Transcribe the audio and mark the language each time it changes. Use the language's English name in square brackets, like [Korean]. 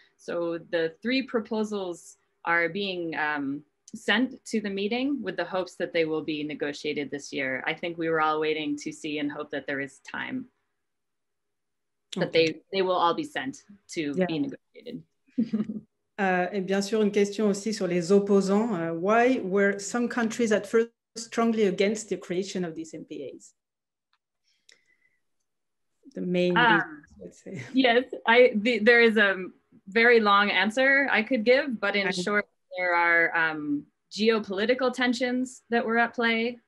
[English] So the three proposals are being sent to the meeting with the hopes that they will be negotiated this year. I think we were all waiting to see and hope that there is time. But okay. they will all be sent to be negotiated. [French] Et bien sûr, une question aussi sur les opposants. [English] Why were some countries at first strongly against the creation of these MPAs? The main reason, let's say. Yes, there is a very long answer I could give, but in short, there are geopolitical tensions that were at play.